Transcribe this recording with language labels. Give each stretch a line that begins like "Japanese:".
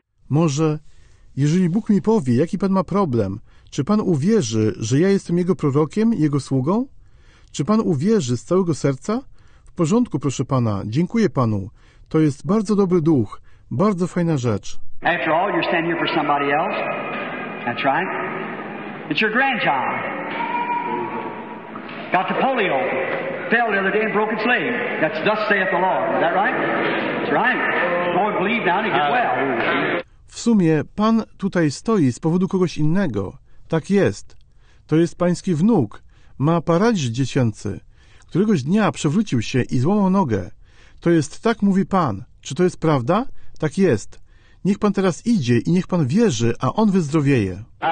Polish: Może, jeżeli Bóg mi powie, jaki Pan ma problem, czy Pan uwierzy, że ja jestem Jego prorokiem, Jego sługą? Czy Pan uwierzy z całego serca? W porządku, proszę Pana, dziękuję Panu. To jest bardzo dobry duch, bardzo fajna rzecz.
English: After all, you're standing here for somebody else. That's right. It's your grandchild. Got the polio. Fell the other day and broke its leg. That's thus saith the Lord. Is that right? That's right. Go and believe now and get well.
Polish: W sumie, Pan tutaj stoi z powodu kogoś innego. Tak jest. To jest Pański wnuk. Ma paraliż dziecięcy. Któregoś dnia przewrócił się i złamał nogę. To jest tak, mówi Pan. Czy to jest prawda? Tak jest. Niech Pan teraz idzie i niech Pan wierzy, a on wyzdrowieje.